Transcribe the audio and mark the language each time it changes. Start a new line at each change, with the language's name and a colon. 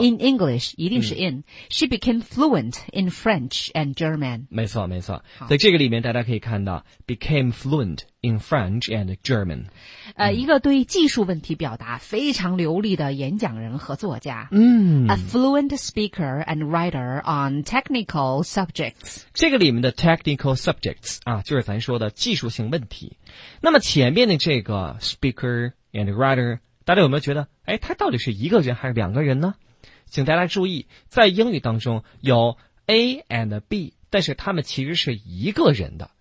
English: In English
Chinese: 一定是
English: in。 She became fluent in French and German。
Chinese: 没错，没错。在这个里面，大家可以看到 ，
English: became fluent in French and German。
Chinese: 一个对技术问题表达非常流利的演讲人和作家。
English: A fluent speaker and writer on technical subjects。
Chinese: 这个里面的
English: technical subjects
Chinese: 啊，就是咱说的技术性问题。那么前面的这个
English: speaker and writer，
Chinese: 大家有没有觉得，哎，他到底是一个人还是两个人呢？请大家注意，在英语当中有 A and B， 但是他们其实是一个人的。